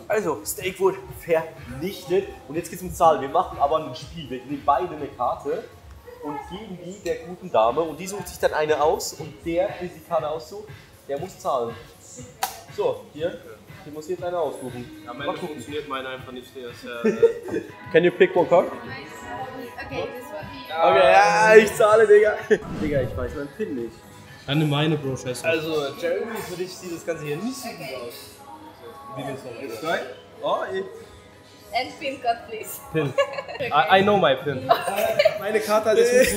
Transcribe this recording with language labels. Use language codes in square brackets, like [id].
[de] Also, Steak wurde vernichtet. Und jetzt geht's um Zahlen. Wir machen aber ein Spiel. Wir nehmen beide eine Karte und geben die der guten Dame. Und die sucht sich dann eine aus. Und der, der die Karte aussucht, der muss zahlen. So, hier muss ich jetzt einer aussuchen. Ja, meine funktioniert meine einfach nicht. Der [en] ist, Can you pick one card? Okay, this one. [de] Okay, ja, ich zahle, Digga. Digga, ich weiß meinen PIN nicht. Dann nimm meine, Bro, scheiße. Also, Jeremy, für dich sieht das Ganze hier nicht so gut aus. Wie geht's noch? Ist das geil? [en] And PIN card, please. PIN. Okay. I know my PIN. [de] Okay. Meine Karte hat jetzt